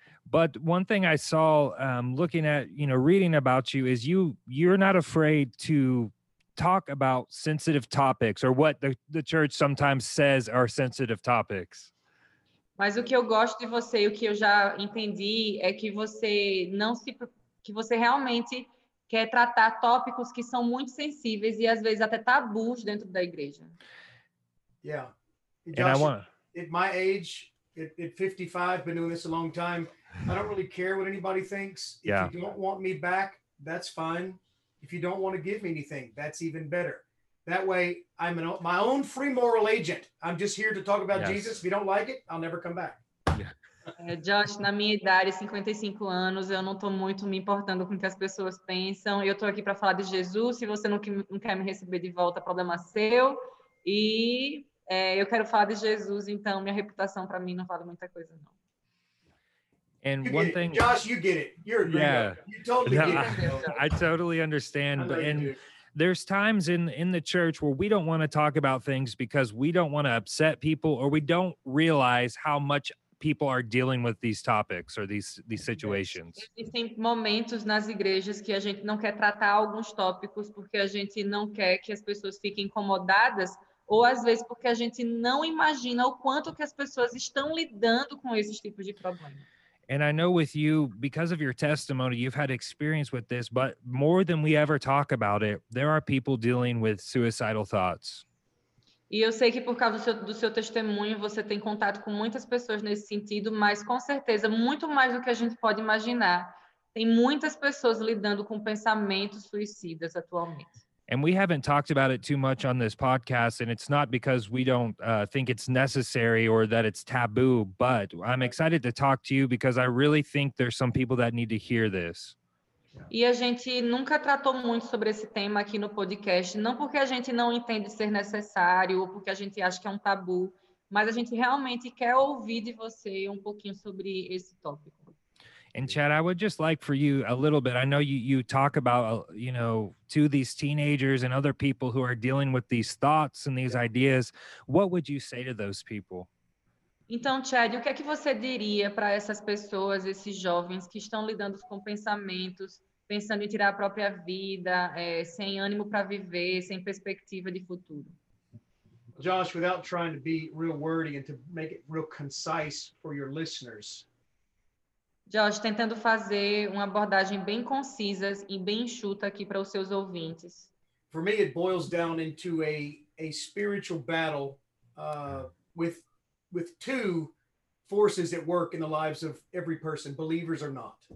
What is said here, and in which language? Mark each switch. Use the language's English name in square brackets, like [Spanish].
[English] But one thing I saw looking at, you know, reading about you is you're not afraid to talk about sensitive topics or what the church sometimes says are sensitive topics. [Portuguese] Mas o que eu gosto de você e o que eu já entendi é que você não se que você realmente quer tratar tópicos que são muito sensíveis e às vezes até tabus dentro da igreja. [English] Yeah. Josh, and I want at my age, at 55, been doing this a long time. I don't really care what anybody thinks. If you don't want me back, that's fine. If you don't want to give me anything, that's even better. That way, I'm my own free moral agent. I'm just here to talk about Jesus. If you don't like it, I'll never come back. Yeah. [Portuguese] Josh, na minha idade, 55 anos, eu não estou muito me importando com o que as pessoas pensam. Eu estou aqui para falar de Jesus. Se você não quer me receber de volta, problema seu. E eu quero falar de Jesus, então minha reputação para mim não vale muita coisa, não. [English] And one thing, Josh, you get it. You're a gringo. You totally get it. I totally understand. And there's times in the church where we don't want to talk about things because we don't want to upset people, or we don't realize how much people are dealing with these topics or these situations. [Portuguese] Existem momentos nas igrejas que a gente não quer tratar alguns tópicos porque a gente não quer que as pessoas fiquem incomodadas, ou às vezes porque a gente não imagina o quanto que as pessoas estão lidando com esses tipos de problemas. [English] And I know with you, because of your testimony, you've had experience with this, but more than we ever talk about it, there are people dealing with suicidal thoughts. [Portuguese] E eu sei que por causa do seu testemunho, você tem contato com muitas pessoas nesse sentido, mas com certeza, muito mais do que a gente pode imaginar, tem muitas pessoas lidando com pensamentos suicidas atualmente. [English] And we haven't talked about it too much on this podcast, and it's not because we don't think it's necessary or that it's taboo, but I'm excited to talk to you because I really think there's some people that need to hear this. [Portuguese] E a gente nunca tratou muito sobre esse tema aqui no podcast, não porque a gente não entende ser necessário ou porque a gente acha que é um tabu, mas a gente realmente quer ouvir de você um pouquinho sobre esse tópico. [English] And Chad, I would just like for you a little bit. I know you talk about, you know, to these teenagers and other people who are dealing with these thoughts and these ideas. What would you say to those people? [Portuguese] Então, Chad, o que é que você diria para essas pessoas, esses jovens que estão lidando com pensamentos, pensando em tirar a própria vida, sem ânimo para viver, sem perspectiva de futuro? [English] Josh, without trying to be real wordy and to make it real concise for your listeners, [Portuguese] Josh, tentando fazer uma abordagem bem concisa e bem enxuta aqui para os seus ouvintes. [English] For me, it boils down into a spiritual battle with two forces at work in the lives of every person, believers or not.